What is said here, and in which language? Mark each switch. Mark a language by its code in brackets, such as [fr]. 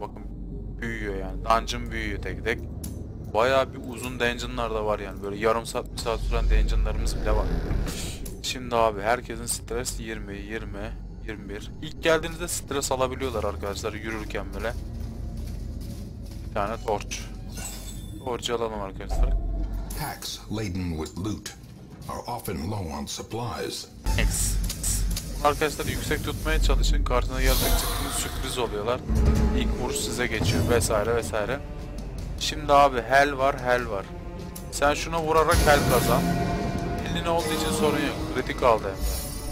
[tr] Bakın büyüyor yani. Dungeon büyüyor tek tek. Bayağı bir uzun dungeonlar da var yani. Böyle yarım saat bir saat süren dungeonlarımız bile var. Şimdi abi herkesin stres 20, 20, 21. İlk geldiğinizde stres alabiliyorlar arkadaşlar yürürken böyle. Bir tane torç. Torcu alalım arkadaşlar. [en] Packs laden with loot are often low on supplies. [tr] Arkadaşlar yüksek tutmaya çalışın. Karşına gelmek çıktığınız sürpriz oluyorlar. İlk vuruş size geçiyor vesaire vesaire. Şimdi abi hel var, hel var. Sen şuna vurarak hel kazan. Elin olduğu için sorun yok. Kritik aldı hem de.